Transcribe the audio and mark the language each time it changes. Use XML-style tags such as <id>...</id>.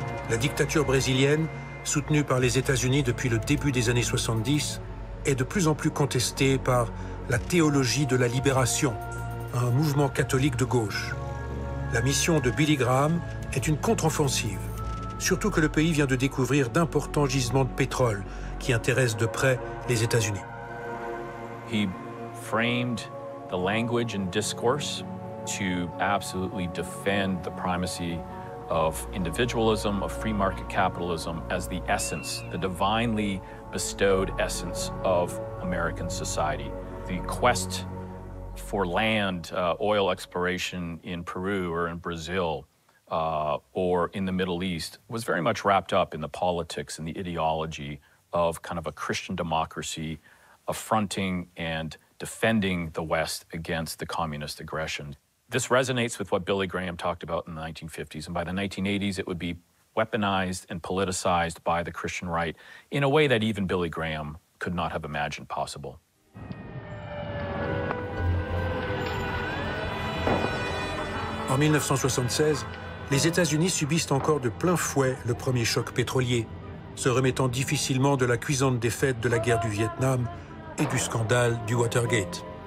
<fr>La dictature brésilienne, soutenue par les États-Unis depuis le début des années 70, est de plus en plus contestée par la théologie de la libération, un mouvement catholique de gauche. La mission de Billy Graham est une contre-offensive, surtout que le pays vient de découvrir d'importants gisements de pétrole qui intéressent de près les États-Unis.</fr> <en>He framed the language and discourse to absolutely defend the primacy of individualism, of free market capitalism as the essence, the divinely bestowed essence of American society. The quest for land, oil exploration in Peru or in Brazil, or in the Middle East was very much wrapped up in the politics and the ideology of kind of a Christian democracy affronting and defending the West against the communist aggression. This resonates with what Billy Graham talked about in the 1950s, and by the 1980s it would be weaponized and politicized by the Christian right in a way that even Billy Graham could not have imagined possible.</en> <fr>En 1976, les États-Unis subissent encore de plein fouet le premier choc pétrolier, se remettant difficilement de la cuisante défaite de la guerre du Vietnam et du scandale du Watergate.</fr>